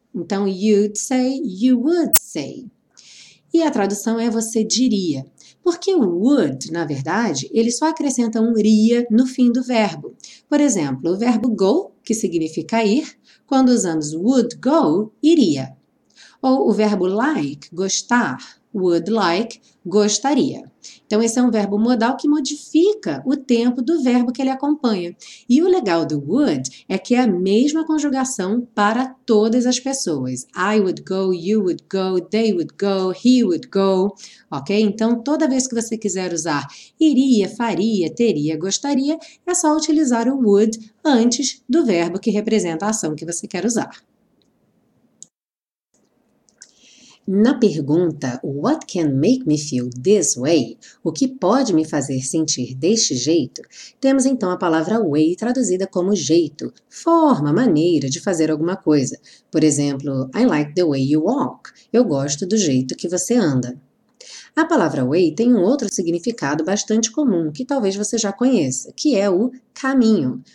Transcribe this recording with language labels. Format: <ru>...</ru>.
<pt>Então,</pt> <en>you'd say, you would say.</en> <pt>E a tradução é você diria. Porque o would, na verdade, ele só acrescenta um ria no fim do verbo. Por exemplo, o verbo go, que significa ir, quando usamos would go, iria. Ou o verbo like, gostar, would like, gostaria. Então, esse é um verbo modal que modifica o tempo do verbo que ele acompanha. E o legal do would é que é a mesma conjugação para todas as pessoas.</pt> <en>I would go, you would go, they would go, he would go. Ok?</en> <pt>Então, toda vez que você quiser usar iria, faria, teria, gostaria, é só utilizar o would antes do verbo que representa a ação que você quer usar. Na pergunta,</pt> <en>what can make me feel this way?</en> <pt>O que pode me fazer sentir deste jeito? Temos então a palavra way traduzida como jeito, forma, maneira de fazer alguma coisa. Por exemplo,</pt> <en>I like the way you walk.</en> <pt>Eu gosto do jeito que você anda. A palavra way tem um outro significado bastante comum, que talvez você já conheça, que é o caminho.</pt>